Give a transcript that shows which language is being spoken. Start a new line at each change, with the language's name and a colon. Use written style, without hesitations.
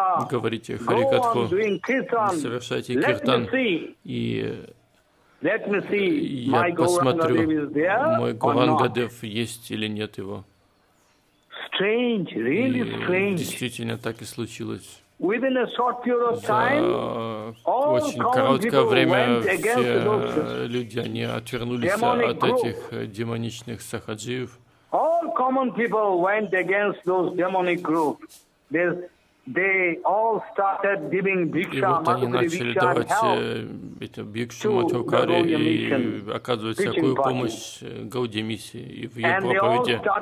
Russian: Говорите Харикатху, совершайте киртан. И я посмотрю, мой Гурангадев есть или нет его.
English: Strange, really strange.
Russian: Действительно, так и случилось.
English: Within a short period of time,
Russian: очень короткое время все люди они отвернулись от этих демоничных сахаджиев.
English: All common people went against those demonic groups. They all started giving bhikshu.
Russian: И вот они начали давать эту бхикшу Матхукари и оказывать всякую помощь Гауди Миссии и в ее проповеди.